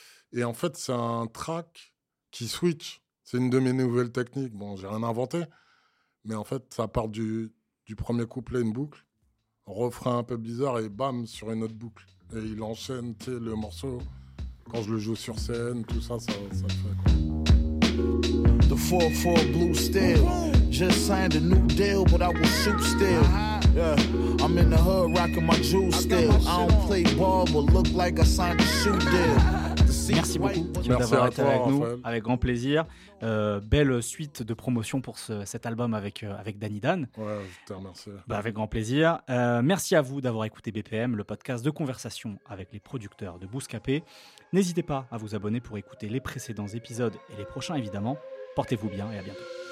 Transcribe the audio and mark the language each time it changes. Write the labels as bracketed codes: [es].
[fr] Et en fait, c'est un track qui switch. C'est une de mes nouvelles techniques. Bon, j'ai rien inventé. Mais en fait, ça part du premier couplet, une boucle, refrain un peu bizarre et bam, sur une autre boucle. Et il enchaîne, tu sais, le morceau. Quand je le joue sur scène, tout ça, ça le fait, quoi. [en] The 4-4 Blue Steel. Just signed a new deal, but I will shoot still. Yeah. I'm in the hood rocking my jewels still. I don't play ball, but look like I signed a shoot deal. [fr] Merci beaucoup d'avoir été avec nous, Raphaël. Avec grand plaisir. Belle suite de promotion pour cet album avec Danny Dan. Ouais, je te remercie. Bah, avec grand plaisir. Merci à vous d'avoir écouté BPM, le podcast de conversation avec les producteurs de Bouscapé. N'hésitez pas à vous abonner pour écouter les précédents épisodes et les prochains, évidemment. Portez-vous bien et à bientôt.